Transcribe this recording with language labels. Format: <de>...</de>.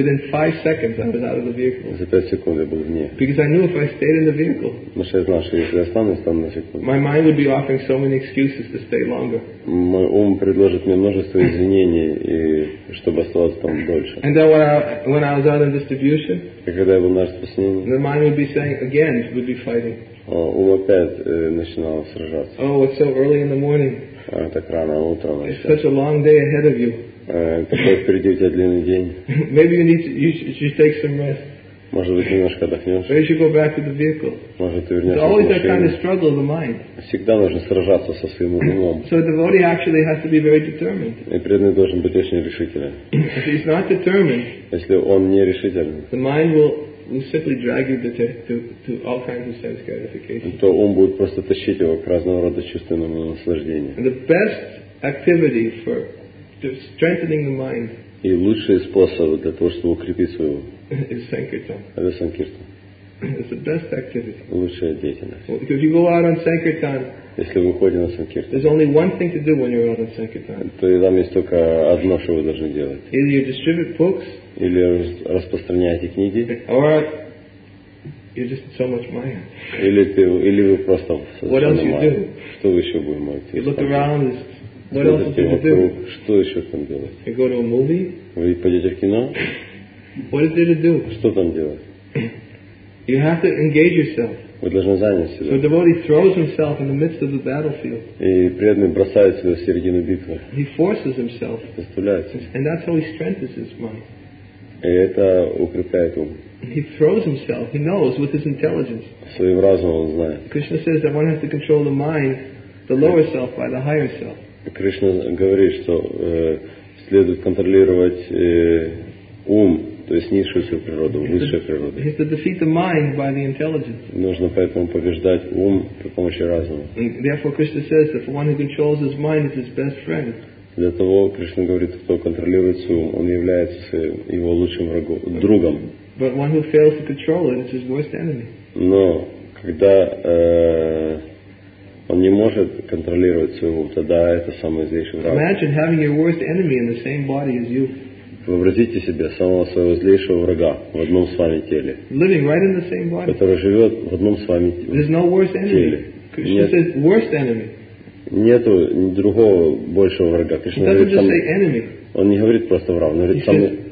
<en>Within 5 seconds, I was out of the vehicle.</en> <ru>За 5 секунд я был вне.</ru> <en>Because I knew if I stayed in the vehicle.</en> <ru>Потому что я знал, что если я останусь там на секунду.</ru> <en>My mind would be offering so many excuses to stay longer.</en> <ru>Мой ум предложит мне множество извинений, и чтобы оставаться там дольше.</ru> <en>And then when I was out in distribution.</en> <ru>И когда я был на распространении.</ru> <en>The mind would be saying again, it would be fighting.</en> <ru>Ум опять начинал сражаться.</ru> <en>Oh, it's so early in the morning.</en> <ru>Так рано утром.</ru> <en>It's such a long day ahead of you.</en> <ru>Такой впереди у тебя длинный день.</ru> <en>Maybe you need to, you should take some rest.</en> <ru>Может быть, немножко отдохнешь.</ru> <en>Maybe you go back to the vehicle.</en> <ru>Может, ты вернешься.</ru> <en>It's always that kind of struggle of the mind.</en> <ru>Всегда нужно сражаться со своим умом.</ru> <en>So the devotee actually has to be very determined.</en> <ru>И преданный должен быть очень решителен.</ru> <en>If he's not determined.</en> <ru>Если он не решителен.</ru> <en>The mind will simply drag you to all kinds of sense gratification.</en> <ru>То ум будет просто тащить его к разного рода чувственному наслаждению.</ru> <en>The best activity for strengthening the mind.</en> <ru>И лучший способ для того, чтобы укрепить свой ум.</ru> <en>Is sankirtan.</en> <ru>Это санкиртан.</ru> <en>It's the best activity.</en> <ru>Лучшая деятельность.</ru> <en>Because you go out on sankirtan.</en> <ru>Если вы выходите на санкиртан.</ru> <en>There's only one thing to do when you're out on sankirtan.</en> <ru>То там есть только одно, что вы должны делать.</ru> <en>Either you distribute books.</en> <ru>Или распространяете книги.</ru> <en>Or you're just so much maya.</en> <ru>Или вы просто.</ru> <en>What else</en> <ru>майя.</ru> <en>You do?</en> <ru>Что вы еще будете делать?</ru> <en>You look around. What else do you do?</en> <ru>Что еще там делать?</ru> <en>You go to a movie.</en> <ru>Вы пойдете в кино.</ru> <en>What is there to do?</en> <ru>Что там делать?</ru> <en>You have to engage yourself.</en> <ru>Вы должны занять себя.</ru> <en>So a devotee throws himself in the midst of the battlefield.</en> <ru>И преданный бросает себя в середину битвы.</ru> <en>He forces himself.</en> <ru>Заставляет.</ru> <en>And that's how he strengthens his mind.</en> <ru>И это укрепляет ум.</ru> <en>He throws himself. He knows with his intelligence.</en> <ru>Своим разумом он знает.</ru> <en>Krishna says that one has to control the mind, the lower self by the higher self.</en> <ru>Кришна говорит, что следует контролировать ум, то есть низшую природу, высшую природу.</ru> <en>He has to defeat the mind by the intelligence.</en> <ru>Нужно поэтому побеждать ум при помощи разума.</ru> <en>And therefore, Krishna says that for one who controls his mind is his best friend.</en> <ru>Для того, Кришна говорит, кто контролирует свой ум, он является своим, его лучшим врагом, другом.</ru> <en>But one who fails to control it is his worst enemy.</en> <ru>Но когда он не может контролировать свой ум, тогда это самый злейший враг.</ru> <en>Imagine having your worst enemy in the same body as you.</en> <ru>Вообразите себе самого своего злейшего врага в одном с вами теле.</ru> <en>Living right in the same body.</en> <ru>Который живет в одном с вами теле.</ru> <en>There's no worst enemy.</en> <ru>Кришна</ru> <en>says worst enemy.</en> <ru>Нету другого большего врага. Кришна говорит,</ru> <en>enemy.</en> <ru>Он не говорит просто враг, он говорит самый.</ru>